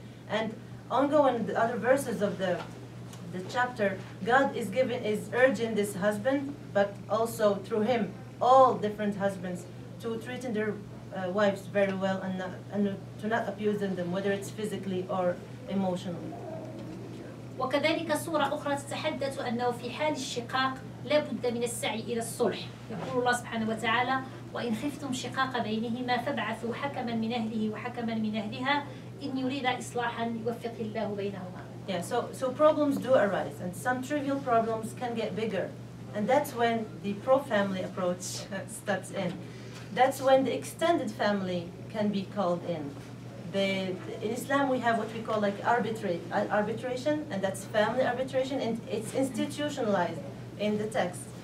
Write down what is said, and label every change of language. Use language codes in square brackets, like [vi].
[en] And ongoing the other verses of the chapter, God is urging this husband, but also through him, all different husbands to treat their wives very well and to not abuse them, whether it's physically or emotionally. [ar] وكذلك صورة أخرى تتحدث أنه في حال الشقاق لابد من السعي إلى الصلح. يقول الله سبحانه وتعالى وإن خفتم شقاق بينهما فابعثوا حكما من أهله وحكما من أهلها إن يريد إصلاحا يوفق الله بينهما. [en] Yeah, so problems do arise, and some trivial problems can get bigger. And that's when the pro-family approach steps in. That's when the extended family can be called in. In Islam, we have what we call like arbitration, and that's family arbitration, and it's institutionalized in the text.